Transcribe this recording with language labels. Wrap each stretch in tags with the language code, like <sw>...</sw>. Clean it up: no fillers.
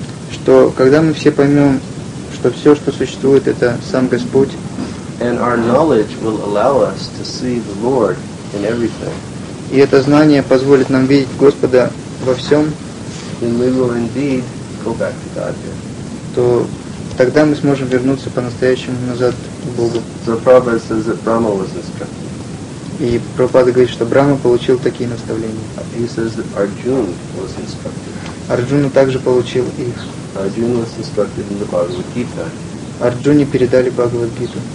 <ru>Что когда мы все поймем, что все, что существует, это сам Господь.</ru> <en>And our knowledge will allow us to see the Lord in everything.</en> <ru>И это знание позволит нам видеть Господа во всем.</ru> <en>Then we will indeed go back to Godhead.</en> <ru>То тогда мы сможем вернуться по-настоящему назад к Богу.</ru> <en>So Prabhupada says that Brahma was instructed.</en> <ru>И Прабхупада говорит, что Брахма получил такие наставления.</ru> <en>He says that Arjuna was instructed.</en> <ru>Арджуна также получил их.</ru> <en>Arjuna was instructed in the Bhagavad Gita.</en> <ru>Арджуне передали Бхагавад Гиту.</ru>